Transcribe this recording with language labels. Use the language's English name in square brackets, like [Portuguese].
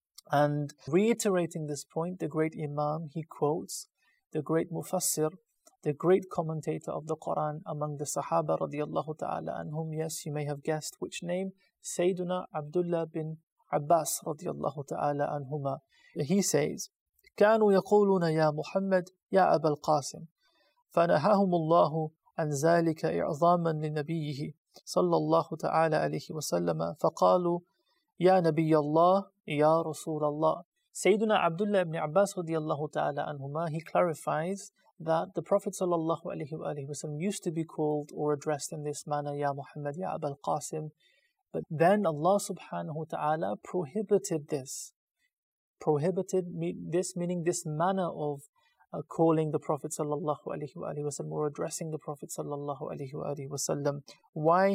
[English] And reiterating this point, the great Imam, he quotes the great Mufassir, the great commentator of the Quran among the Sahaba radiallahu ta'ala anhum. Yes, you may have guessed which name, Sayyiduna Abdullah bin Abbas radiallahu ta'ala anhuma. [Arabic] He says, كانوا يقولون يا محمد يا أبا القاسم فنهاهم الله عن ذلك إعظاما لنبيه صلى الله تعالى عليه وسلم فقالوا يا نبي الله يا رسول الله. [English] Sayyiduna Abdullah ibn Abbas radiallahu ta'ala anhuma, he clarifies that the Prophet sallallahu alaihi wa alihi wasallam used to be called or addressed in this manner, Ya Muhammad, Ya Abul Qasim. But then Allah subhanahu wa ta'ala prohibited this. Prohibited this, meaning this manner of calling the Prophet sallallahu alaihi wa alihi wasallam or addressing the Prophet sallallahu alaihi wa alihi wasallam. Why?